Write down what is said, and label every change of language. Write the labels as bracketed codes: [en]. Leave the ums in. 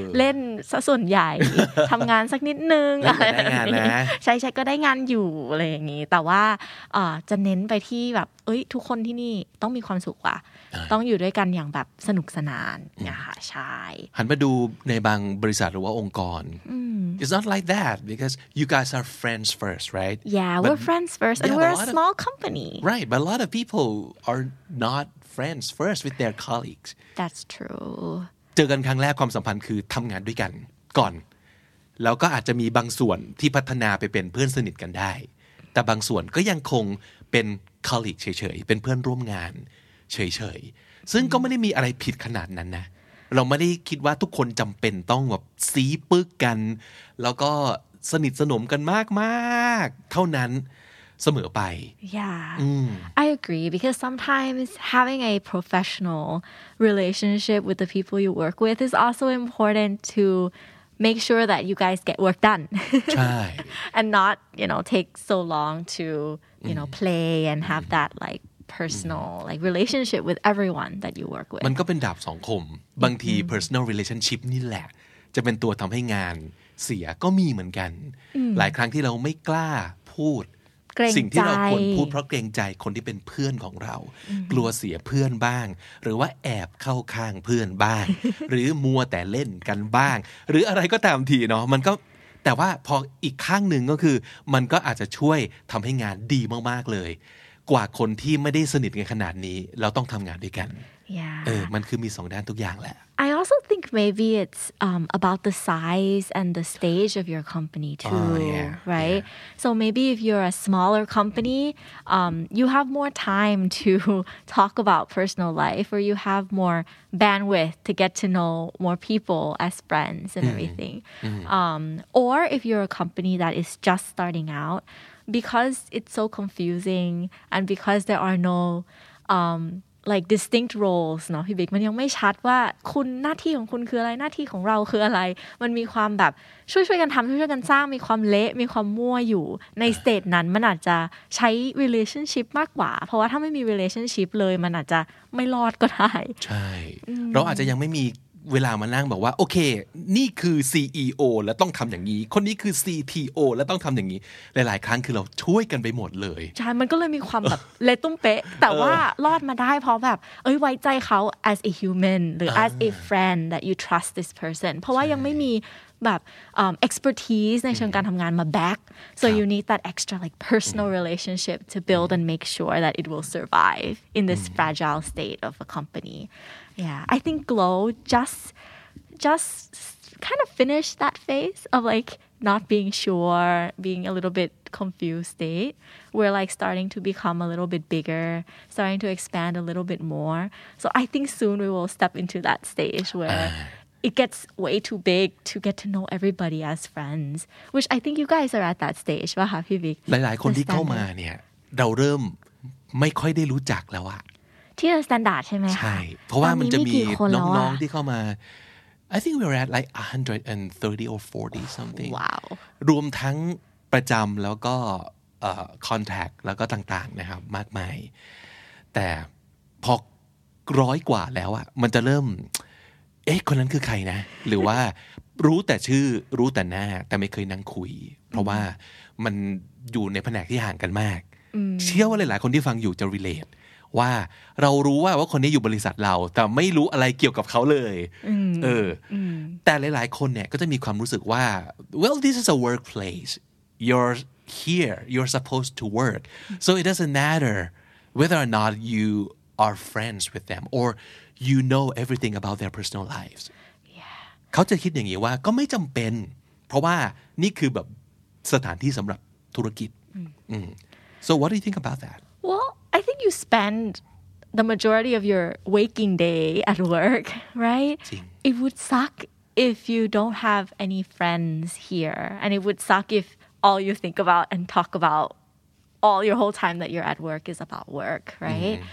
[th] เล่นซะส่วนใหญ่ ทำงานสักนิดนึง แล้วแต่ได้งานนะ ใช่ใช่ก็ได้งานอยู่อะไรอย่างนี้ แต่ว่าเอ่อจะเน้นไปที่แบบ เอ้ย ทุกคนที่นี่ต้องมีความสุขว่ะ ต้องอยู่ด้วยกันอย่างแบบสนุกสนานนะคะใช่ หันมาดูในบางบริษัทหรือว่าองค์กร อืม [en] it's not like that because you guys are friends first right yeah But- we're friends first and Yeah, but we're a a lot of- small company Right, but a lot of people are not friends first with their colleagues. that's true [th] เจอกันครั้งแรกความสัมพันธ์คือทำงานด้วยกันก่อน แล้วก็อาจจะมีบางส่วนที่พัฒนาไปเป็นเพื่อนสนิทกันได้ แต่บางส่วนก็ยังคงเป็น colleague เฉยๆ เป็นเพื่อนร่วมงานเฉยๆ ซึ่งก็ไม่ได้มีอะไรผิดขนาดนั้นนะ เราไม่ได้คิดว่าทุกคนจำเป็นต้องแบบซีปึกกัน แล้วก็สนิทสนมกันมากๆ เท่านั้นเสมอไป [en] yeah อืม I agree because sometimes having a professional relationship with the people you work with is also important to make sure that you guys get work done [th] ใช่ [en] and not, you know, take so long to, you know, play and have that like personal like relationship with everyone that you work with. [th] มันก็เป็นดาบสองคม บางที personal relationship นี่แหละ จะเป็นตัวทำให้งานเสียก็มีเหมือนกัน หลายครั้งที่เราไม่กล้าพูด เกรงใจ สิ่งที่เราควรพูดเพราะเกรงใจคนที่เป็นเพื่อนของเรา กลัวเสียเพื่อนบ้าง หรือว่าแอบเข้าข้างเพื่อนบ้าง หรือมัวแต่เล่นกันบ้าง หรืออะไรก็ตามทีเนาะมันก็แต่ว่าพออีกข้างหนึ่งก็คือ มันก็อาจจะช่วยทำให้งานดีมากๆเลย กว่าคนที่ไม่ได้สนิทกันขนาดนี้ เราต้องทำงานด้วยกัน [en] Yeah. [th] เออ มันคือมีสองด้านทุกอย่างแหละ [en] I also think maybe it's um, about the size and the stage of your company too, Oh, yeah, right? So maybe if you're a smaller company, um, you have more time to talk about personal life, or you have more bandwidth to get to know more people as friends and everything. Um, or if you're a company that is just starting out, because it's so confusing and because there are no um, like distinct roles [th] เนาะพี่บิ๊กมันยังไม่ชัดว่าคุณหน้าที่ของคุณคืออะไรหน้าที่ของเราคืออะไร มันมีความแบบช่วยช่วยๆกันทำช่วยช่วยๆกันสร้างมีความเละมีความมั่วอยู่ในสเตจนั้นมันอาจจะใช้ relationship มากกว่า เพราะว่าถ้าไม่มี relationship เลยมันอาจจะไม่รอดก็ได้ ใช่ เราอาจจะยังไม่มีเวลามานั่งบอกว่า โอเค นี่คือ CEO และต้องทำอย่างนี้ คนนี้คือ CTO และต้องทำอย่างนี้ หลาย ๆ ครั้งคือเราช่วยกันไปหมดเลย ใช่ มันก็เลยมีความแบบ เละตุ้มเป๊ะ แต่ว่ารอดมาได้เพราะแบบ เอ้ยไว้ใจเขา [en] as a human [th] หรืออ [en] as a friend that you trust this person [th] เพราะว่ายังไม่มีแบบเอิ่ม expertise ในเชิงการทำงานมา [en] back so you need that extra like personal relationship to build and make sure that it will survive in this fragile state of a company Yeah, I think glow just just kind of finished that phase of like not being sure, being a little bit confused state. We're like starting to become a little bit bigger, starting to expand a little bit more. So I think soon we will step into that stage where it gets way too big to get to know everybody as friends, which I think you guys are at that stage, [th] ป่ะคะพี่บิ๊ก หลาย ๆ คนที่เข้ามาเนี่ย เราเริ่มไม่ค่อยได้รู้จักแล้วอะ ที่เราสแตนดาร์ดใช่ไหมคะ ใช่ เพราะว่ามันจะมี ตอไกี่คแล้วะ น้อง ๆ ที่เข้ามา [en] I think we were at like 130 or 40 something [th] ว้าว รวมทั้งประจำแล้วก็คอนแทคแล้วก็ต่าง ๆ นะครับ มากมาย แต่พอร้อยกว่าแล้วอะมันจะเริ่ม เอ๊ะ คนนั้นคือใครนะ หรือว่ารู้แต่ชื่อรู้แต่หน้า แต่ไม่เคยนั่งคุย เพราะว่ามันอยู่ในแผนกที่ห่างกันมาก เชื่อว่าหลาย ๆ คนที่ฟังอยู่จะ relate ว่าเรารู้ว่าว่าคนนี้อยู่บริษัทเรา แต่ไม่รู้อะไรเกี่ยวกับเขาเลย เอออ แต่หลาย ๆ คนเนี่ยก็จะมีความรู้สึกว่า [en] well this is a workplace you're here you're supposed to work so it doesn't matter whether or not you are friends with them or you know everything about their personal lives [th] เขาจะคิดอย่างนี้ว่าก็ไม่จำเป็น เพราะว่านี่คือแบบสถานที่สำหรับธุรกิจอืม [en] so what do you think about that Well, I think you spend the majority of your waking day at work, right? It would suck if you don't have any friends here. And it would suck if all you think about and talk about all your whole time that you're at work is about work, right?